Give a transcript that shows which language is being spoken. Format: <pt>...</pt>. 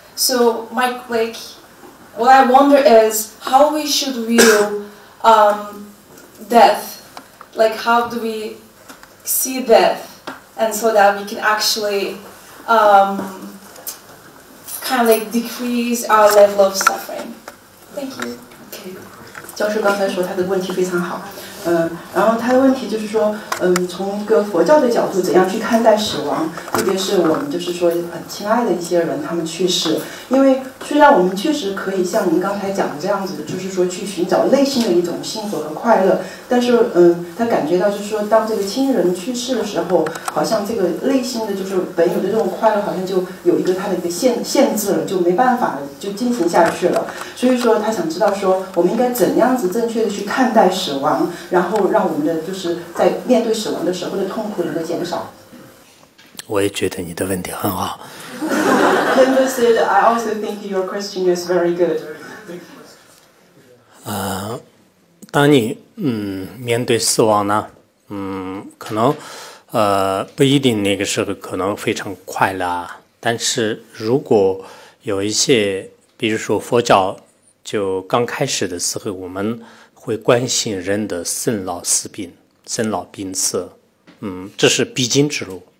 <en>So Mike, like what I wonder is how we should view death, like how do we see death, and so that we can actually kind of like decrease our level of suffering. Thank you. Okay.</en> <zh>教授刚才说他的问题非常好，然后他的问题就是说，从一个佛教的角度，怎样去看待死亡，特别是我们就是说很亲爱的一些人他们去世，因为虽然我们确实可以像您刚才讲的这样子，就是说去寻找内心的一种幸福和快乐，但是，他感觉到就是说，当这个亲人去世的时候，好像这个内心的就是本有的这种快乐，好像就有一个他的一个限制了，就没办法就进行下去了。所以说，他想知道说，我们应该怎样子正确的去看待死亡，然后让我们的就是在面对死亡的时候的痛苦能够减少。我也觉得你的问题很好。</zh> <en>Understood. I also think your question is very good.</en> <zh>当你面对死亡呢，可能不一定那个时候可能非常快乐，但是如果有一些，比如说佛教就刚开始的时候，我们会关心人的生老死病、生老病死，这是必经之路。</zh>